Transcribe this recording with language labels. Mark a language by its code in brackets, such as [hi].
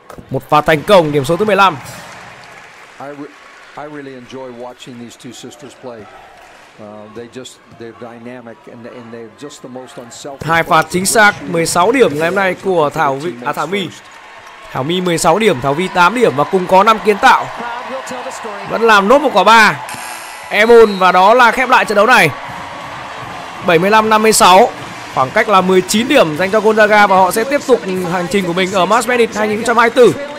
[vi] Một pha thành công, điểm số thứ 15. [en] I really enjoy watching these two sisters play. They're dynamic and they're just the most unselfish. [vi] Hai pha chính xác, 16 điểm ngày hôm nay của Thảo Vy, Thảo My. Thảo My 16 điểm, Thảo Vy 8 điểm và cùng có 5 kiến tạo. Vẫn làm nốt một quả 3. Emon, và đó là khép lại trận đấu này. 75-56. Khoảng cách là 19 điểm dành cho Gonzaga và họ sẽ tiếp tục hành trình của mình ở March Madness 2024.